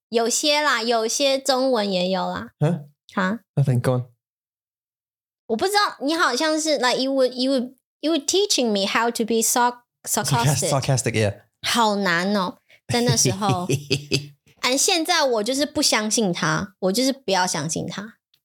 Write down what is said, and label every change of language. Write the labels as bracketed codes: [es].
[zh] 有些啦，有些中文也有啦。 [en] Huh? Huh? Nothing gone. [zh] 我不知道，你好像是 [en] like you were teaching me how to be sarcastic. Sarcastic, yeah. [zh] 好难哦，在那时候。 And 现在我就是不相信他，我就是不要相信他。